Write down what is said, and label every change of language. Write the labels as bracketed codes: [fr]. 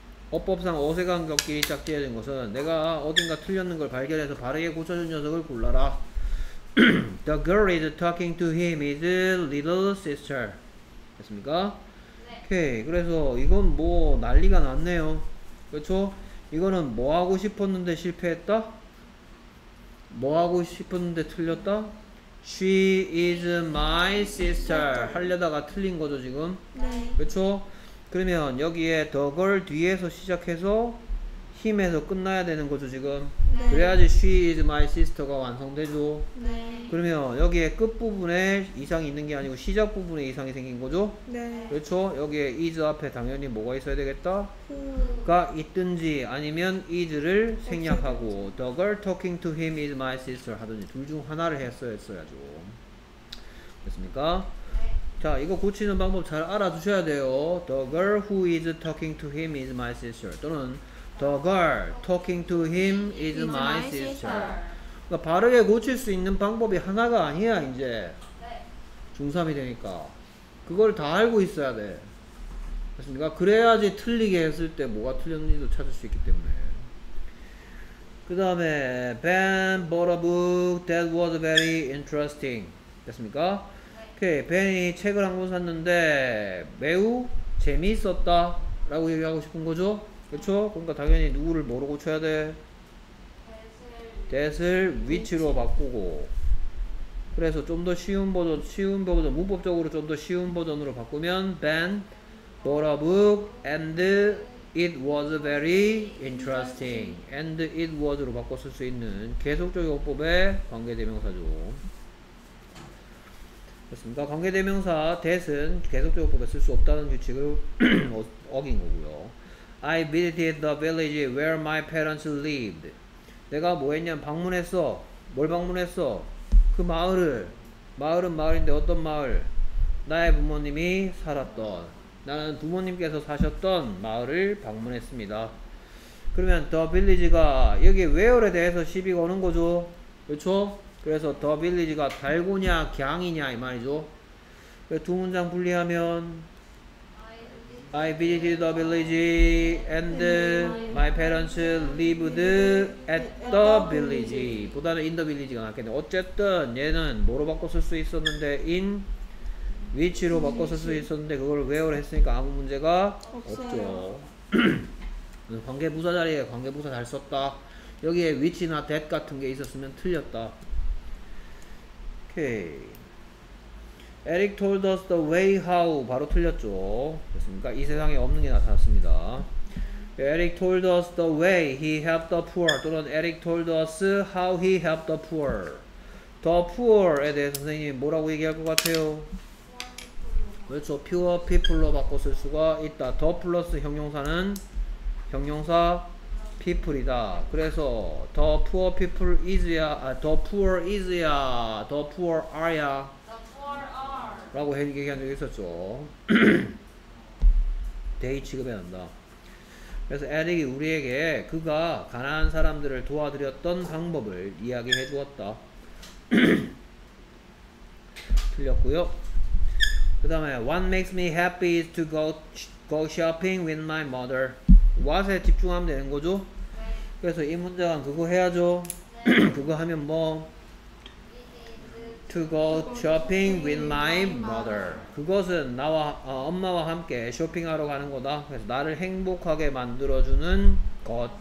[ko] 어법상 어색한 격끼리 짝지어야 된 것은 내가 어딘가 틀렸는 걸 발견해서 바르게 고쳐준 녀석을 골라라. [en] The girl is talking to him is little sister. [ko] 됐습니까? 오케이. 그래서 이건 뭐 난리가 났네요. 그렇죠? 이거는 뭐 하고 싶었는데 실패했다? 뭐 하고 싶었는데 틀렸다? [en] She is my sister. [ko] 하려다가 틀린 거죠, 지금? 네. 그렇죠? 그러면 여기에 the girl 뒤에서 시작해서 힘에서 끝나야 되는 거죠, 지금? 네. 그래야지 [en] she is my sister [ko] 가 완성되죠. 네. 그러면 여기에 끝부분에 이상이 있는 게 아니고 시작 부분에 이상이 생긴 거죠? 네. 그렇죠? 여기에 is 앞에 당연히 뭐가 있어야 되겠다? 가 있든지 아니면 is를 생략하고 [en] the girl talking to him is my sister [ko] 하든지 둘 중 하나를 했어야죠. 됐습니까? 자, 이거 고치는 방법 잘 알아두셔야 돼요. [en] The girl who is talking to him is my sister. 또는 The girl talking to him is my sister. [ko] 그러니까 바르게 고칠 수 있는 방법이 하나가 아니야, 이제. 네. 중3이 되니까. 그걸 다 알고 있어야 돼. 그렇습니까? 그래야지 틀리게 했을 때 뭐가 틀렸는지도 찾을 수 있기 때문에. [en] 그 다음에 Ben bought a book that was very interesting. [ko] 됐습니까? 오케이, 벤이 책을 한 권 샀는데 매우 재미있었다 라고 얘기하고 싶은 거죠? 그쵸? 그러니까 당연히 누구를 뭐로 고쳐야 돼? that을 which로 바꾸고 그래서 좀 더 쉬운 버전, 문법적으로 좀 더 쉬운 버전으로 바꾸면 [en] Ben bought a book and it was [ko] very interesting and it was로 바꿨을 수 있는 계속적 요법의 관계대명사죠. 그렇습니다. 관계대명사 that은 계속적 요법에 쓸 수 없다는 규칙을 어긴 거고요. [en] I visited the village where my parents lived. [ko] 내가 뭐 했냐면 방문했어. 뭘 방문했어? 그 마을을. 마을은 마을인데 어떤 마을? 나의 부모님이 살았던. 나는 부모님께서 사셨던 마을을 방문했습니다. 그러면 the village가 여기 where에 대해서 시비 거는 거죠. 그렇죠? 그래서 the village가 달고냐 갱이냐 이 말이죠. 두 문장 분리하면 [en] I visited the village and my parents lived at the village [ko] 보다는 [en] in the village가 낫겠네. [ko] 어쨌든 얘는 뭐로 바꿨을 수 있었는데 in which로 바꿨을 수 있었는데 그걸 where로 했으니까 아무 문제가 없어요. 없죠. 관계부사 자리에 관계부사 잘 썼다. 여기에 which나 that 같은 게 있었으면 틀렸다. 오케이. [en] Eric told us the way how [ko] 바로 틀렸죠. 됐습니까? 이 세상에 없는 게 나타났습니다. [en] Eric told us the way he helped the poor 또는 Eric told us how he helped the poor. [ko] The poor에 대해 선생님 뭐라고 얘기할 것 같아요? 그렇죠. Pure people로 바꿨을 수가 있다. The plus 형용사는 형용사 people이다. 그래서 [en] the poor people is야, the poor is야, the poor are야. The poor are. [ko] 라고 얘기한 적이 있었죠. they 취급해야 한다. 그래서 에릭이 우리에게 그가 가난한 사람들을 도와드렸던 방법을 이야기해 주었다. 틀렸고요. 그 다음에 [en] what makes me happy is to go shopping with my mother. [ko] what에 집중하면 되는 거죠. 그래서 이 문장은 그거 해야죠. 네. 그거 하면 뭐? [en] To go shopping with my mother. [ko] 그것은 나와 엄마와 함께 쇼핑하러 가는 거다. 그래서 나를 행복하게 만들어주는 것.